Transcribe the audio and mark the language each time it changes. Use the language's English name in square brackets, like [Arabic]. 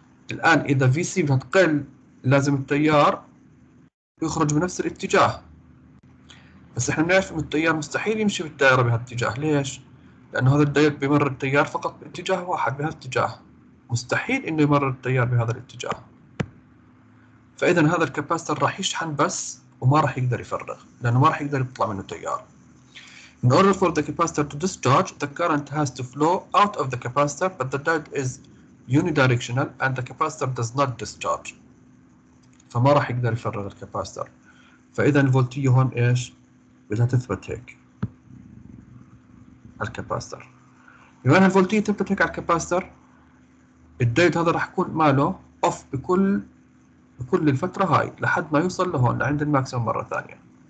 [Arabic] الآن إذا vc بدها تقل لازم التيار يخرج بنفس الاتجاه، بس احنا نعرف ان التيار مستحيل يمشي بالدائره بهالاتجاه. ليش؟ لانه هذا الدايت بيمر التيار فقط باتجاه واحد بهالاتجاه، مستحيل انه يمر التيار بهذا الاتجاه. فاذا هذا الكاباستر راح يشحن بس وما راح يقدر يفرغ لانه ما راح يقدر يطلع منه تيار. [English] In order for the capacitor to discharge, the current has to flow out of the capacitor, but the diode is unidirectional and the capacitor does not discharge. [Arabic] فما راح يقدر يفرغ الكاباستر. فاذا الفولتية هون ايش؟ بدها تثبت هيك على الكاباستر. بما ان الفولتية تثبت هيك على الكاباستر، الدايت هذا راح يكون ماله اوف بكل الفترة هاي لحد ما يوصل لهون لعند الماكسيمم مرة ثانية.